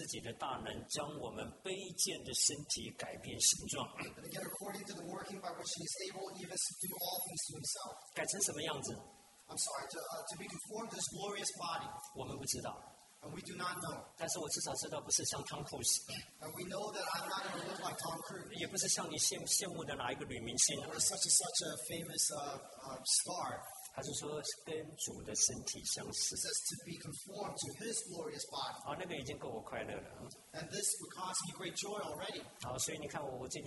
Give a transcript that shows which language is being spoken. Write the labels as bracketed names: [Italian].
[Chinese] 他要用那个叫万有能够归服自己的大能，将我们卑贱。的身体改变形状。 [English] But again, according to the working by which he is able even to do all things to himself. [Chinese] 改成什么样子？ [English] I'm sorry, to be conformed to his glorious body. [Chinese] 我们不知道。 [English] And we do not know. [Chinese] 但是我至少知道不是像 Tom Cruise. [English] And we know that I'm not going to look like Tom Cruise. [Chinese] 也不是像你羡慕的哪一个女明星。 [English] Or such a famous star. [Chinese] 还是说跟主的身体相似。 [English] It says to be conformed to his glorious body. [Chinese] 哦，那个已经够我快乐了。 [English] And this would cause me great joy already.